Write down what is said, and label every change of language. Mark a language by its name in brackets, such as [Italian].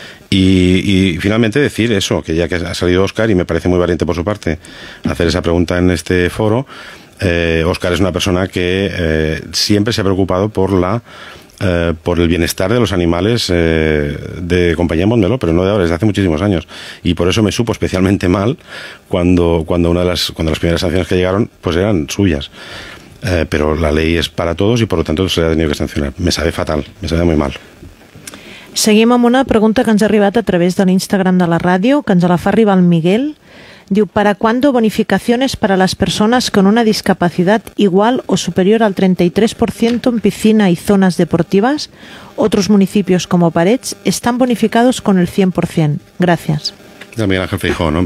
[Spanish] Y finalmente decir eso, que ya que ha salido Óscar, y me parece muy valiente por su parte hacer esa pregunta en este foro, Óscar es una persona que siempre se ha preocupado por el bienestar de los animales de compañía Montmeló, pero no de ahora, desde hace muchísimos años. Y por eso me supo especialmente mal cuando las primeras sanciones que llegaron pues eran suyas. Pero la ley es para todos y por lo tanto se le ha tenido que sancionar. Me sabe fatal, me sabe muy mal. [Catalan] Seguim amb una pregunta que ens ha arribat a través de l'Instagram de la ràdio, que ens la fa arribar el Miguel. Diu, [Spanish] ¿para cuándo bonificaciones para las personas con una discapacidad igual o superior al 33% en piscina y zonas deportivas? Otros municipios como Parets están bonificados con el 100%. Gracias. El Miguel Ángel Feijóo, ¿no?